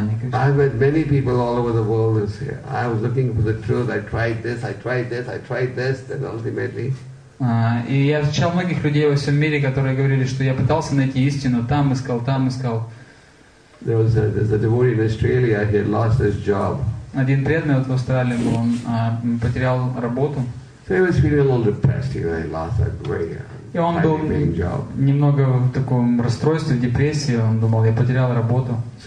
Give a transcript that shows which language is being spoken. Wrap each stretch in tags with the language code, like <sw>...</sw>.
<en>I've met many people all over the world who say, I was looking for the truth, I tried this, and ultimately.</en> <ru>И я встречал многих людей во всем мире, которые говорили, что я пытался найти истину, там искал.</ru> <en>There's a devotee in Australia, he had lost his job.</en> <ru>Один преданный в Австралии был, он потерял работу.</ru> <en>So he was feeling a little depressed, you know, he lost that great job.</en> <ru>И он был немного в таком расстройстве, депрессии. Он думал, я потерял работу.</ru>